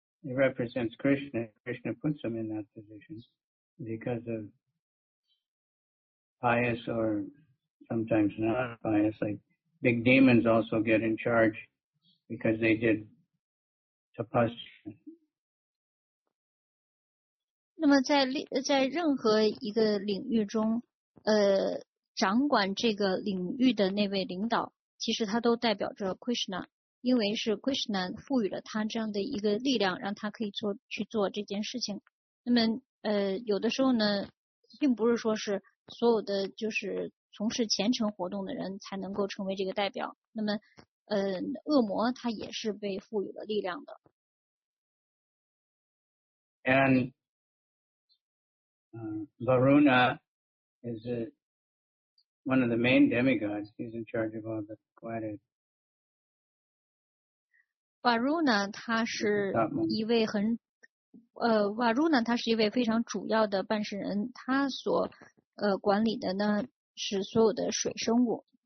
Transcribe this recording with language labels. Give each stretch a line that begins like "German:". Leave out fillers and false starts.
English: It represents Krishna. Krishna puts them in that position because of pious or sometimes not pious. Like big demons also get in charge because they did tapasya.
Chinese: 那么在任何一个领域中，掌管这个领域的那位领导，其实他都代表着 Krishna。因为是 Krishna 赋予了他这样的一个力量让他可以去做这件事情。那么有的时候呢并不是说是所有的就是从事虔诚活动的人才能够成为这个代表。那么恶魔他也是被赋予了力量的。
English: And Varuna is one of the main demigods. He's in charge of all the planets.
Chinese: Varuna 他是一位很Varuna 他是一位非常主要的办事人，他所管理的呢是所有的水生物。